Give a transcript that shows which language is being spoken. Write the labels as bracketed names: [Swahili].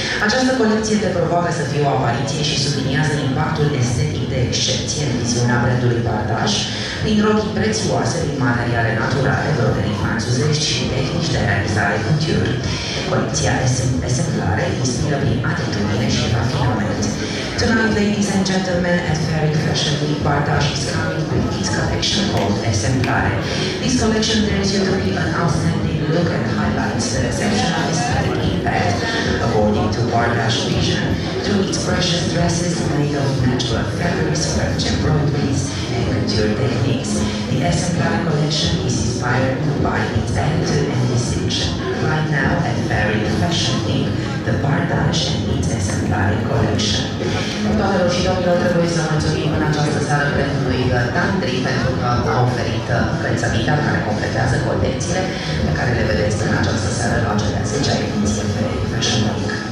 [Romanian] Această colecție te provoacă să fie o apariție și subliniază impactul estetic de excepție în viziunea brandului Bardash, prin rochii prețioase din materiale naturale, broderii franțuzești și tehnici de realizare couture. Colecția Exemplare inspiră prin atitudine și rafinament. [English] Tonight, ladies and gentlemen, at FEERIC Fashion Week, Bardash is coming with its collection called Exemplare. This collection brings you to give an outstanding look and highlights the exceptional aesthetic impact according to Bardash vision. Through its precious dresses made of natural fabrics, French embroideries, and couture techniques, the Exemplare collection is inspired by its attitude and distinction. Right now, at FEERIC Fashion Week, the Bardash and its Exemplare collection. [Romanian] Doamnelor și domnilor, trebuie să mulțumim în această seară brandului Tantri pentru că a oferit încălțămintea care completează colecțiile pe care le vedeți în această seară la cea 10-a ediție pe Fashion Week.